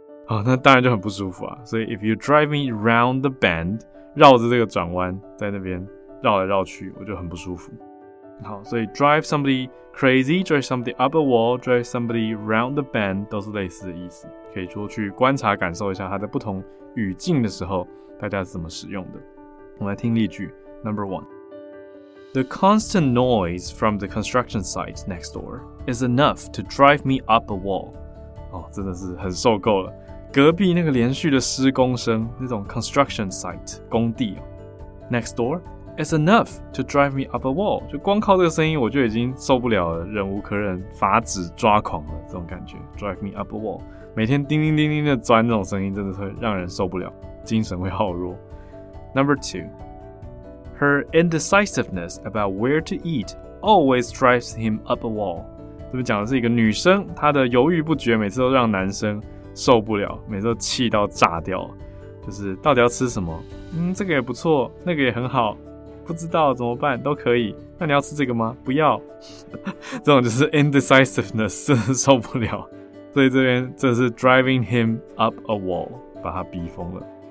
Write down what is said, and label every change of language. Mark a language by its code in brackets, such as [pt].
[zh] 好，那当然就很不舒服啊。所以 [en] if you drive me round the bend， [zh] 绕着这个转弯在那边绕来绕去，我就很不舒服。好，所以 [en] drive somebody crazy， drive somebody up a wall， drive somebody round the bend [zh] 都是类似的意思，可以说去观察感受一下它的不同语境的时候大家是怎么使用的。我们来听例句。 [en] Number one， The constant noise from the construction site next door is enough to drive me up a wall。 [zh] 哦，真的是很受够了，隔壁那个连续的施工声，那种 [en] construction site [zh] 工地、哦、 [en] next door is enough to drive me up a wall， [zh] 就光靠这个声音我就已经受不了了，忍无可忍，发指抓狂了，这种感觉 drive me up a wall， 每天叮叮叮叮的钻，这种声音真的会让人受不了，精神会耗弱。 [en] Number two， Her indecisiveness about where to eat always drives him up a wall。 [zh] 这边讲的是一个女生，她的犹豫不决每次都让男生受不了，每次都气到炸掉，就是到底要吃什么，这个也不错，那个也很好，不知道怎么办，都可以，那你要吃这个吗？不要。这种就是 indecisiveness， 真的受不了，所以这边真的是 [en] driving him up a wall， [zh] 把他逼疯了。